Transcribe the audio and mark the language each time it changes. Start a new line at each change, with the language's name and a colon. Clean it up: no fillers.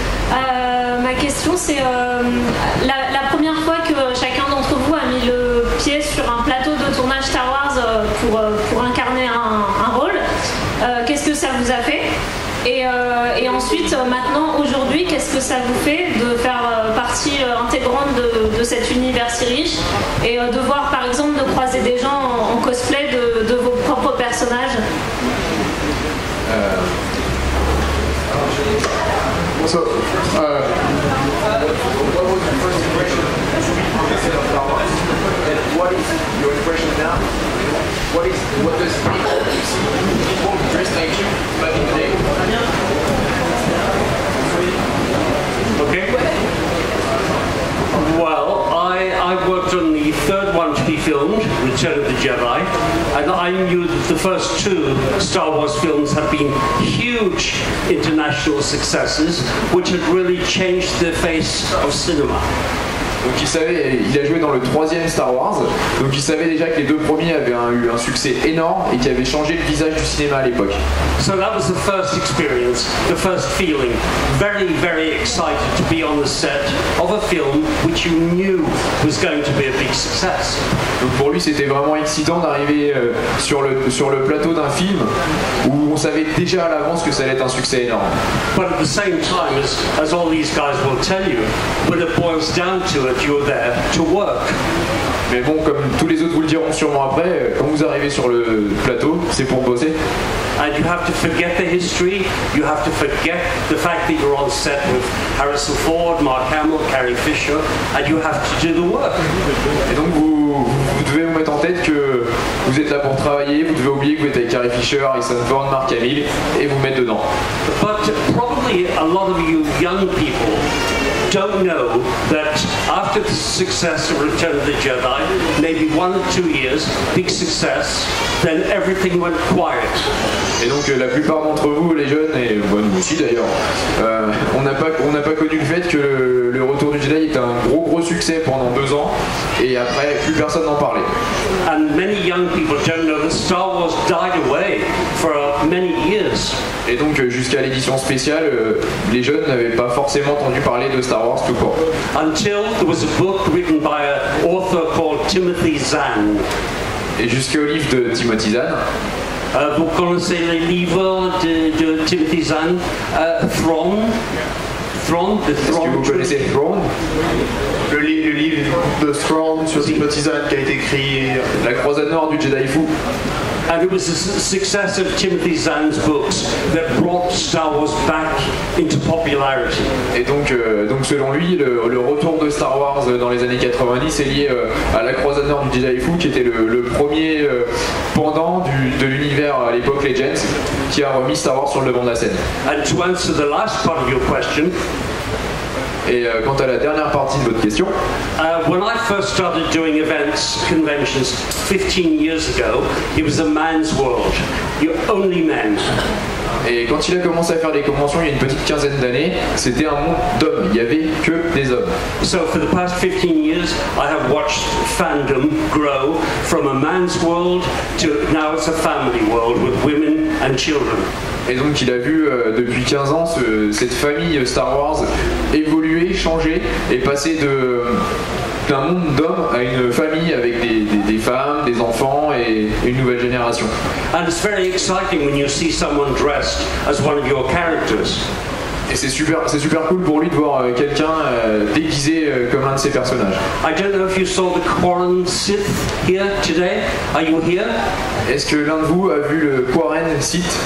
French: Ma question, c'est la première fois que chacun d'entre vous a mis le pied sur un plateau de tournage Star Wars pour incarner un rôle, qu'est-ce que ça vous a fait? Et ensuite, maintenant, aujourd'hui, qu'est-ce que ça vous fait de faire partie intégrante de cet univers si riche et de voir, par exemple, de croiser des gens en cosplay de vos propres personnages?
English: What was your first impression of Star Wars? And what is your impression now? What does it mean? People who dressed like you back in the day? Okay. Well, I worked on the third one to be filmed, Return of the Jedi, and I knew that the first two Star Wars films had been huge international successes, which had really changed the face of cinema.
French: Donc il savait, il a joué dans le troisième Star Wars, donc il savait déjà que les deux premiers avaient eu un succès énorme et qui avaient changé le visage du cinéma à l'époque.
English: So that was the first experience, the first feeling. Very, very excited to be on the set of a film which you knew was going to be a big success.
French: Donc pour lui, c'était vraiment excitant d'arriver sur le plateau d'un film où on savait déjà à l'avance que ça allait être un succès énorme.
English: But at the same time, as all these guys will tell you, when it boils down to it, you're there to work.
French: Mais bon, comme tous les autres vous le diront sûrement après, quand vous arrivez sur le plateau, c'est pour bosser.
English: And you have to forget the history, you have to forget the fact that you're on set with Harrison Ford, Mark Hamill, Carrie Fisher, and you have to do the work.
French: Et donc vous devez vous mettre en tête que vous êtes là pour travailler, vous devez oublier que vous êtes avec Carrie Fisher, Harrison Ford, Mark Hamill, et vous mettre dedans.
English: But probably a lot of you young people don't know that after the success of Return of the Jedi, maybe 1 or 2 years, big success, then everything went quiet.
French: Et donc la plupart d'entre vous, les jeunes, et moi aussi d'ailleurs, on n'a pas connu le fait que le Retour du Jedi était un gros succès pendant 2 ans, et après plus personne n'en parlait.
English: And many young people don't know that Star Wars died away for many years.
French: Et donc jusqu'à l'édition spéciale, les jeunes n'avaient pas forcément entendu parler de Star Wars tout court.
English: Until there was a book written by an author called Timothy Zahn.
French: Et jusqu'au livre de Timothy Zahn. Vous connaissez les livres de Timothy Zahn, From. Est-ce que vous connaissez Throne? Le livre de Throne sur Timothy Zahn qui a été écrit. La croisade noire du Jedi fou.
English: And it was the success of Timothy Zahn's books that brought Star Wars back into popularity.
French: Et donc selon lui, le retour de Star Wars dans les années 90 est lié à la croisade noire du Jedi fou qui était le premier pendant de l'univers à l'époque Legends qui a remis Star Wars sur le devant de la scène.
English: And to answer the last part of your question.
French: Et quant à la dernière partie de votre question,
English: when I first started doing events, conventions 15 years ago, it was a man's world. You're only men.
French: Et quand il a commencé à faire des conventions il y a une petite quinzaine d'années, c'était un monde d'hommes, il n'y avait que des hommes.
English: So for the past 15 years, I have watched fandom grow from a man's world to now it's a family world with women and children.
French: Et donc il a vu depuis 15 ans cette famille Star Wars évoluer, changer et passer d'un monde d'hommes à une famille avec des femmes, des enfants et une nouvelle génération.
English: And it's very exciting when you see someone dressed as one of your characters.
French: Et c'est super cool pour lui de voir quelqu'un déguisé comme un de ses personnages.
English: I don't know if you saw the Qui-Gon Sith here today. Are you here?
French: Est-ce que l'un de vous a vu le Qui-Gon Sith?